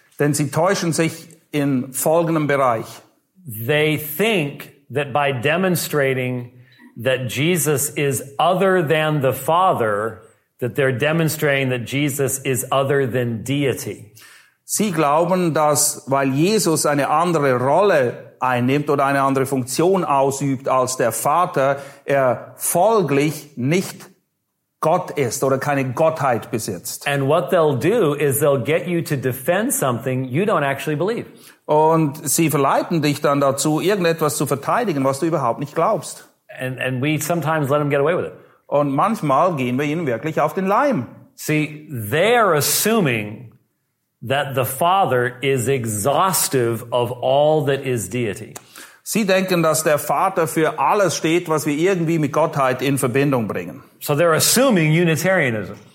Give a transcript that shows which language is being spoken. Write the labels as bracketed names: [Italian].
[German] Denn sie täuschen sich in folgendem Bereich. [English] They think that by demonstrating that Jesus is other than the Father, that they're demonstrating that Jesus is other than deity. [German] Sie glauben, dass weil Jesus eine andere Rolle einnimmt oder eine andere Funktion ausübt als der Vater, er folglich nicht Gott ist oder keine Gottheit besitzt. [English] And what they'll do is they'll get you to defend something you don't actually believe. [German] Und sie verleiten dich dann dazu, irgendetwas zu verteidigen, was du überhaupt nicht glaubst. [English] And we sometimes let them get away with it. [German] Und manchmal gehen wir ihnen wirklich auf den Leim. [English] See, they're assuming that the Father is exhaustive of all that is deity. [German] Sie denken, dass der Vater für alles steht, was wir irgendwie mit Gottheit in Verbindung bringen. [English] So they're assuming Unitarianism.